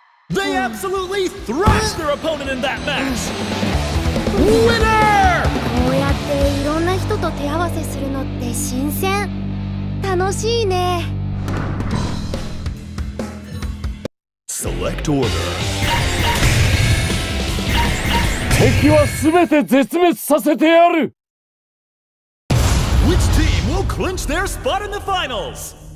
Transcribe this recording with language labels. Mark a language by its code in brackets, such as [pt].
[en] They absolutely thrashed their opponent in that match! Winner! [ja] こうやっていろんな人と手合わせするのって新鮮。楽しいね。 [en] Select order. [ja] 敵は全て絶滅させてやる。 [en] Which team will clinch their spot in the finals?